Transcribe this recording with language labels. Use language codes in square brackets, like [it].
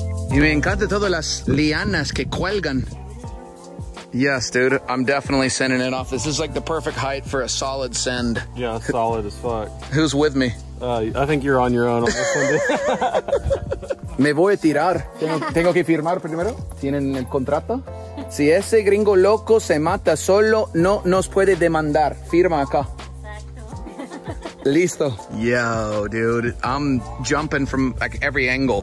[es] Y me encantan todas las lianas que cuelgan. [en] Yes, dude, I'm definitely sending it off. This is like the perfect height for a solid send. Yeah, solid as fuck. Who's with me? I think you're on your own on this one. [es] Me voy a tirar. ¿Tengo que firmar primero? ¿Tienen el contrato? Si ese gringo loco se mata solo, no nos puede demandar. Firma acá. Listo. [en] Yo, dude, I'm jumping from like every angle.